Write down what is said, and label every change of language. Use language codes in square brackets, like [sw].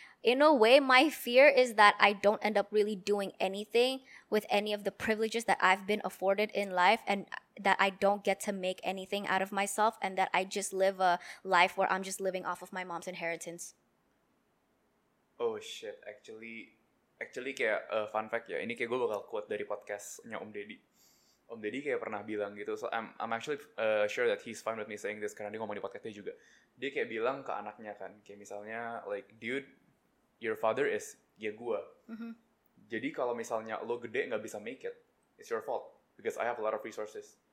[en] In a way, my fear is that I don't end up really doing anything with any of the privileges that I've been afforded in life and that I don't get to make anything out of myself and that I just live a life where I'm just living off of my mom's inheritance. Oh, shit. Actually kayak fun fact ya. [id] Ini kayak gue bakal quote dari podcastnya Om Deddy. Om Deddy kayak pernah bilang gitu. [en] So, I'm actually sure that he's fine with me saying this [id] karena dia ngomong di podcastnya juga. Dia kayak bilang ke anaknya kan. Kayak misalnya, [en] like, dude, your father is [id] ya gue. Jadi kalau misalnya lo gede nggak bisa [en] make it, it's your fault because I have a lot of resources.